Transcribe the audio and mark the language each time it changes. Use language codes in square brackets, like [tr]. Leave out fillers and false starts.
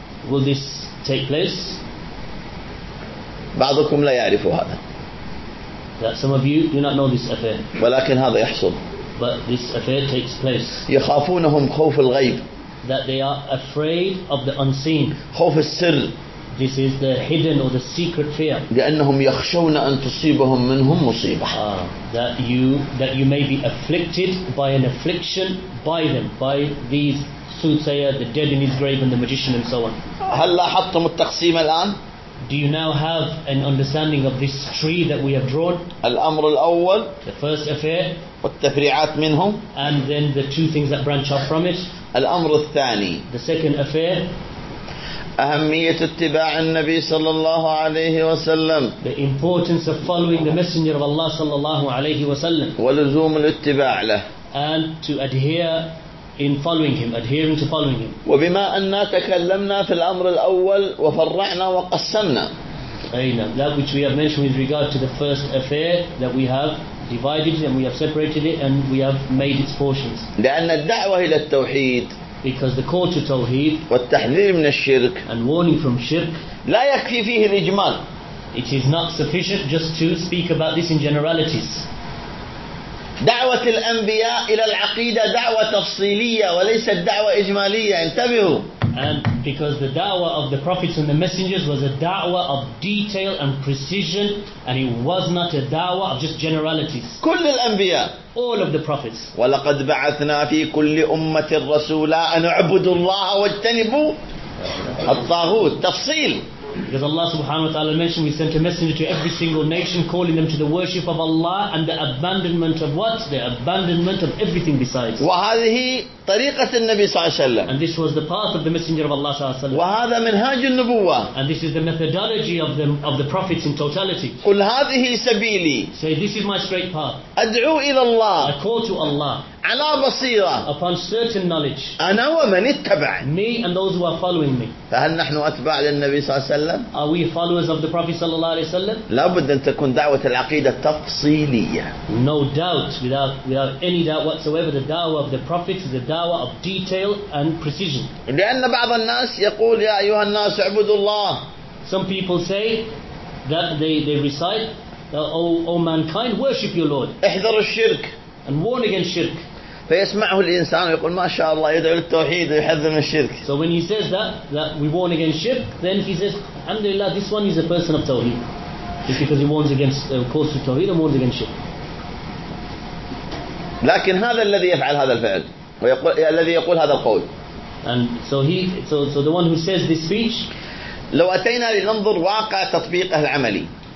[en] Will this take place? [ar] بعضكم لا يعرف هذا. [en] That some of you do not know this affair. [ar] ولكن هذا يحصل. [en] But this affair takes place. [ar] يخافونهم خوف الغيب. [en] That they are afraid of the unseen. [ar] خوف السر. [en] This is the hidden or the secret fear. [ar] لأنهم يخشون أن تصيبهم منهم مصيبة. [en] That you may be afflicted by an affliction by them, by these soothsayer, the dead in his grave, and the magician, and so on. [ar] هل لاحظتم التقسيم الآن? [en] Do you now have an understanding of this tree that we have drawn? [ar] الأمر الأول. [en] The first affair. [ar] والتفريعات منهم. [en] And then the two things that branch off from it. [ar] الأمر الثاني. [en] The second affair. [ar] أهمية اتباع النبي صلى الله عليه وسلم. [en] The importance of following the messenger of Allah [ar] صلى الله عليه وسلم. ولزوم الاتباع له. [en] And to adhere in following him, adhering to following him. [ar] وبما أننا تكلمنا في الأمر الأول وفرعنا وقسمنا. أينه. [en] That which we have mentioned with regard to the first affair that we have divided and we have separated it and we have made its portions. [ar] لأن الدعوة إلى التوحيد. [en] Because the call to tawheed [ar] والتحذير من الشرك [en] and warning from shirk [ar] لا يكفي فيه الإجمال. [en] It is not sufficient just to speak about this in generalities. [ar] دعوة الأنبياء إلى العقيدة دعوة تفصيلية وليست دعوة إجمالية. انتبهوا. [en] And because the da'wah of the prophets and the messengers was a da'wah of detail and precision, and it was not a da'wah of just generalities. [ar] كل الأنبياء. [en] All of the prophets. [ar] ولقد بعثنا في كل أمة الرسولا أن عبدوا الله واجتنبوا الطاغوت. تفصيل. [en] Because Allah subhanahu wa ta'ala mentioned, we sent a messenger to every single nation, calling them to the worship of Allah and the abandonment of what? The abandonment of everything besides. [ar] وهذه طريقة النبي صلى الله عليه وسلم. [en] And this was the path of the messenger of Allah [ar] صلى الله عليه وسلم. وهذا منهاج النبوة. [en] And this is the methodology of the prophets in totality. [ar] قل هذه سبيلي. [en] Say, this is my straight path. [ar] أدعو إلى الله. [en] I call to Allah. [ar] على بصيرة. [en] Upon certain knowledge. [ar] أنا ومن اتبع. [en] Me and those who are following me. [ar] فهل نحن أتباع للنبي صلى الله عليه وسلم؟ [en] Are we followers of the Prophet [ar] صلى الله عليه وسلم؟ لابد أن تكون دعوة العقيدة تفصيلية. [en] No doubt, without any doubt whatsoever, the dawah of the Prophet is the dawah of detail and precision. [ar] لأن بعض الناس يقول يا أيها الناس اعبدوا الله. [en] Some people say that they recite, O mankind, worship your Lord. [ar] احذر الشرك. [en] And warn against shirk. [ar] فيسمعه الإنسان ويقول ما شاء الله يدعو للتوحيد ويحذر من الشرك. [en] So when he says that we warn against shirk, then he says, Alhamdulillah, this one is a person of tawhid. It's because he warns against calls to tawhid and warns against shirk. [ar] لكن هذا الذي يفعل هذا الفعل ويقول الذي يقول هذا القول. [en] And so the one who says this speech. [ar] لو أتينا لننظر واقع تطبيقه العملي.